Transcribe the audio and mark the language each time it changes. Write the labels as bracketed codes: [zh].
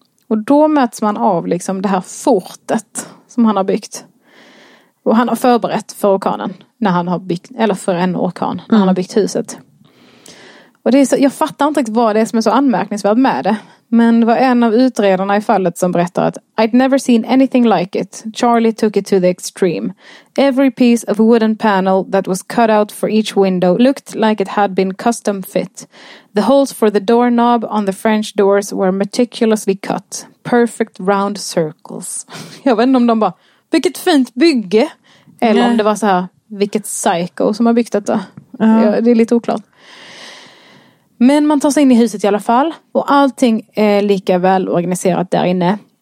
[sv] Och då möts man av liksom det här fortet som han har byggt. Och han har förberett för orkanen när han har byggt, eller för en orkan när han har byggt huset. Och det är så, jag fattar inte riktigt vad det är som är så anmärkningsvärt med det. Men det var en av utredarna i fallet som berättade att [en] I'd never seen anything like it. Charlie took it to the extreme. Every piece of wooden panel that was cut out for each window looked like it had been custom fit. The holes for the doorknob on the French doors were meticulously cut. Perfect round circles. [sv] Jag vet inte om de bara, vilket fint bygge. Eller om det var så här, vilket psycho som har byggt detta. Det är lite oklart. Men man tar sig in i huset i alla fall. Och allting är lika väl organiserat där inne.